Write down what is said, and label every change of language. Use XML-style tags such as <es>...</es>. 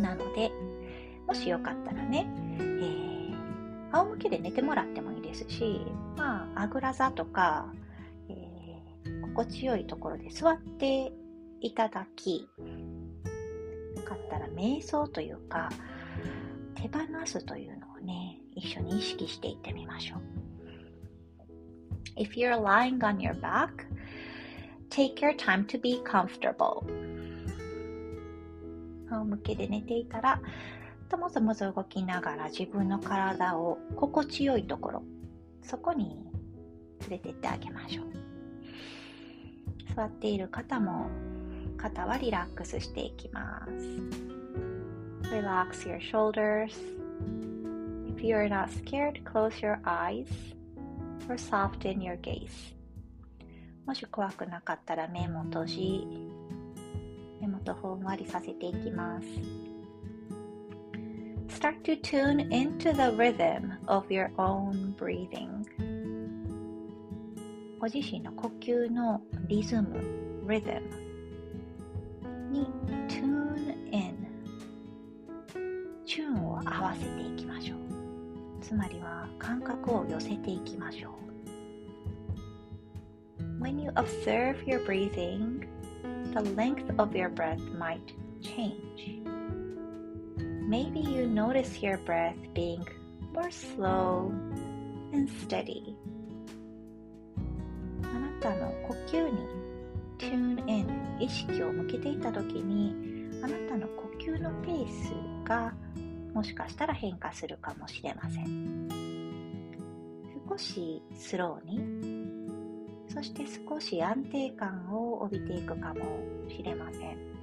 <ja>なので、もしよかったらね、仰向けで寝てもらってもいいですし、まあ、あぐら座とか、心地よいところで座っていただき、よかったら瞑想というか手放すというのをね、一緒に意識していってみましょう。</ja> <en>If you're lying on your backTake your time to be comfortable.</en> <ja>仰向けで寝ていたら、ともそもそ動きながら自分の体を心地よいところ、そこに連れてってあげましょう。座っている方も、肩はリラックスしていきます。</ja> <en>Relax your shoulders. If you're not scared, close your eyes or soften your gaze.</en> <ja>もし怖くなかったら目も閉じ、目元ふんわりさせていきます。</ja> <en>Start to tune into the rhythm of your own breathing.</en> <ja>ご自身の呼吸のリズム、</ja> <en>rhythm</en> <ja>に</ja> <en>tune in。</en> <ja>チューンを合わせていきましょう。つまりは感覚を寄せていきましょう。</ja> <en>When you observe your breathing, the length of your breath might change. Maybe you notice your breath being more slow and steady.</en> <ja>あなたの呼吸に</ja> <en>tune in、</en> <ja>意識を向けていた時に、あなたの呼吸のペースがもしかしたら変化するかもしれません。少しスローに、そして少し安定感を帯びていくかもしれません。</ja>